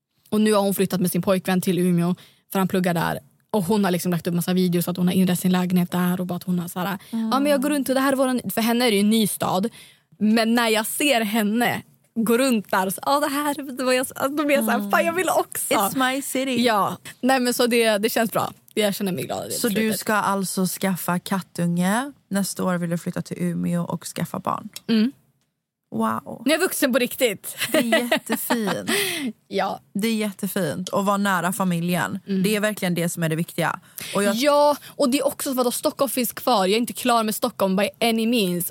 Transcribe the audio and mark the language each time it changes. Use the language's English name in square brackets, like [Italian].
[Swedish] Och nu har hon flyttat med sin pojkvän till Umeå för han pluggar där. Och hon har liksom lagt upp massa videos att hon har inrett sin lägenhet där och bara att hon har så här, men jag går runt och det här är våran, för henne är det ju en ny stad. Men när jag ser henne gå runt där så, det här, det var jag, alltså, då blir jag så här, fan jag vill också. [English] It's my city. [Swedish] Ja, nej men så det känns bra. Jag känner mig glad. Så du ska alltså skaffa kattunge. Nästa år vill du flytta till Umeå och skaffa barn. Mm. Wow. Nu är vuxen på riktigt. Det är jättefint. Ja. Det är jättefint. Och vara nära familjen. Mm. Det är verkligen det som är det viktiga. Och och det är också för att Stockholm finns kvar. Jag är inte klar med Stockholm [English] by any means.